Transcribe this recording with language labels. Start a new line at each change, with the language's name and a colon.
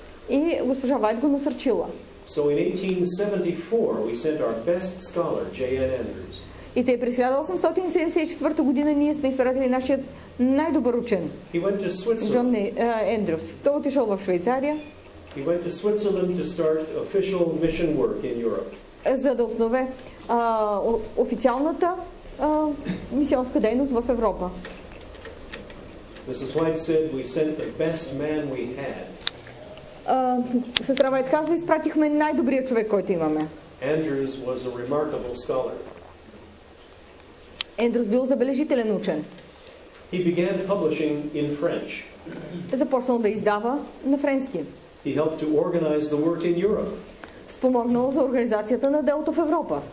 Bulgarian: И госпожа Вайт го насърчила.
English: So in 1874 we sent our best scholar, J.N. Andrews.
Bulgarian: И тъй през 1874 година ние сме изпратили нашия най-добър учен, Джон Ендрюс. Той отишъл в Швейцария.
English: He went to Switzerland to start official mission work in Europe.
Bulgarian: За да основе официалната мисионска дейност в Европа.
English: Mrs. White said we sent the best man we had.
Bulgarian: Сестра Вайт казва, изпратихме най-добрия човек, който имаме.
English: Andrews was a remarkable scholar.
Bulgarian: Andrews бил забележителен учен.
English: He began publishing in French.
Bulgarian: Започнал да издава на френски.
English: He helped to organize the work in Europe.
Bulgarian: Спомогнал за организацията на делото в Европа.